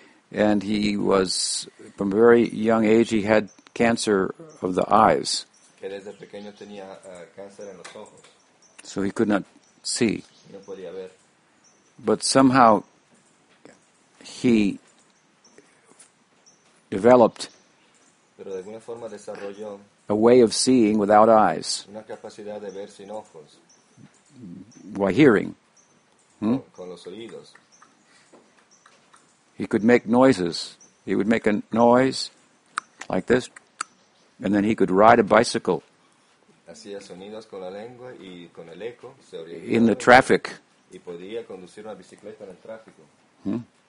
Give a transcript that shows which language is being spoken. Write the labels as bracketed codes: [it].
[en] And he was, from a very young age, he had cancer of the eyes. [es] Que desde pequeño tenía, cáncer en los ojos. [en] So he could not see. [es] No podía ver. [en] But somehow he developed a way of seeing without eyes. [es] Una capacidad de ver sin ojos. [en] By hearing. [es] Con los oídos. [en] He could make noises. He would make a noise like this, and then he could ride a bicycle. [es] Hacía sonidos con la lengua y con el eco. Se [en] in the traffic. [es] Y podía conducir una bicicleta en el tráfico.